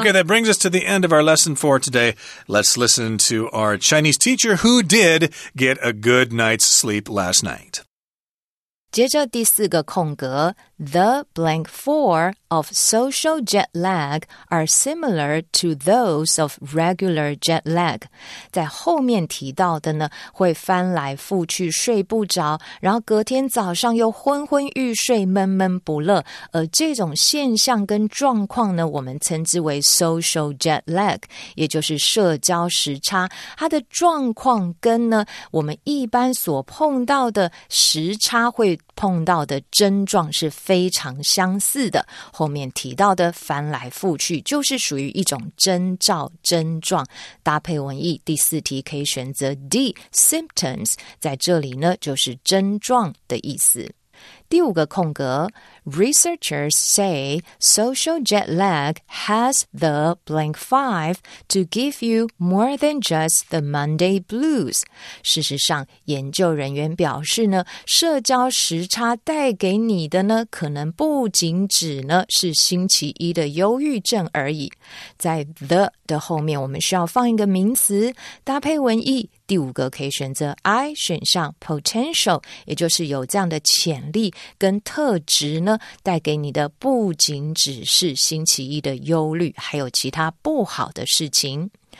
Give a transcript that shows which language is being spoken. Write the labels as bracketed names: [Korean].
[English] Okay, that brings us to the end of our lesson for today. Let's listen to our Chinese teacher who did get a good night's sleep last night. [Chinese] 接着第四个空格 [English] The blank four of social jet lag are similar to those of regular jet lag. [Chinese] 在后面提到的呢，会翻来覆去睡不着，然后隔天早上又昏昏欲睡，闷闷不乐。而这种现象跟状况呢，我们称之为 social jet lag， 也就是社交时差。它的状况跟呢，我们一般所碰到的时差会碰到的症状是非常相似的，后面提到的翻来覆去就是属于一种征兆症状。搭配文意，第四题可以选择 D, symptoms, 在这里呢就是症状的意思。第五个空格， [English] Researchers say social jet lag has the blank five to give you more than just the Monday blues. [Chinese] 事实上，研究人员表示呢，社交时差带给你的呢，可能不仅只呢是星期一的忧郁症而已。在 the 的后面，我们需要放一个名词，搭配文意。第五个可以选择 I 选项 potential， 也就是有这样的潜力跟特质呢，带给你的不仅只是星期一的忧虑，还有其他不好的事情。